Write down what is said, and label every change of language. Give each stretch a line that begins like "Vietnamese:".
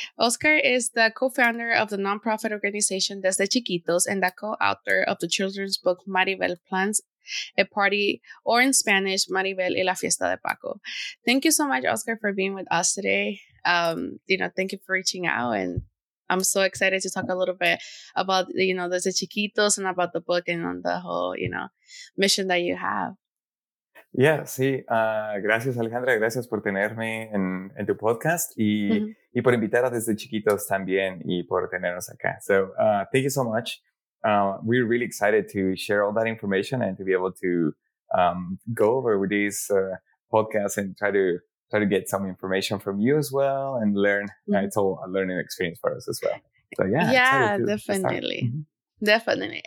English: Oscar is the co-founder of the nonprofit organization Desde Chiquitos and the co-author of the children's book Maribel Plans a Party, or in Spanish, Maribel y la Fiesta de Paco. Thank you so much, Oscar, for being with us today. Thank you for reaching out, and I'm so excited to talk a little bit about, you know, Desde Chiquitos and about the book and on the whole, you know, mission that you have.
Spanish: Yeah, sí. Gracias, Alejandra. Gracias por tenerme en tu podcast y, y por invitar a Desde Chiquitos también y por tenernos acá.
English: So thank you so much. We're really excited to share all that information and to be able to go over with this podcast and try to get some information from you as well and learn. Yeah, it's all a learning experience for us as well. So yeah definitely. Definitely.